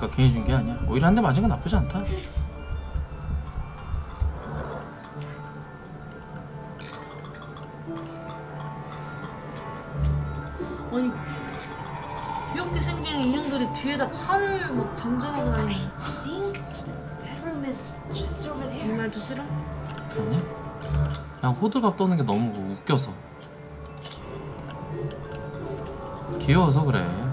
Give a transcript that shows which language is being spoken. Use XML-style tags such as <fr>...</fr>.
<ko>준 게 아니야. 오히려 한 대 맞은 건 나쁘지 않다. 아니 귀엽게 생긴 인형들이 뒤에다 칼을 막 장전하고 다니는.</ko> <en>I think that room is just over there.</en> <ko>이 말도 싫어? 아니. 그냥 호들갑 떠는 게 너무 웃겨서. 귀여워서 그래.</ko>